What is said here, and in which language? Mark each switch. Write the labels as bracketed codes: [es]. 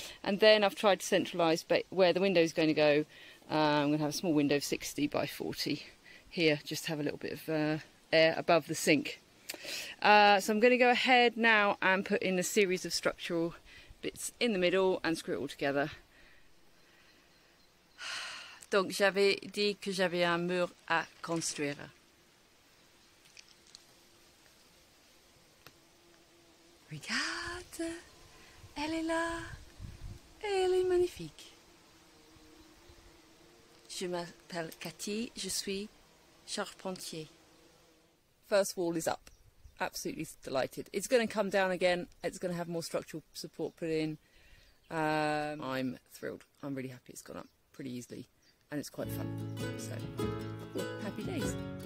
[en] And then I've tried to centralize where the window is going to go. I'm going to have a small window of 60 by 40 here, just to have a little bit of air above the sink. So I'm going to go ahead now and put in a series of structural bits in the middle and screw it all together. [fr] Donc j'avais dit que j'avais un mur à construire. Regarde, elle est là, elle est magnifique. Je m'appelle Cathy, je suis charpentier. [en] First wall is up. Absolutely delighted. It's going to come down again. It's going to have more structural support put in. I'm thrilled. I'm really happy it's gone up pretty easily and it's quite fun. So, happy days.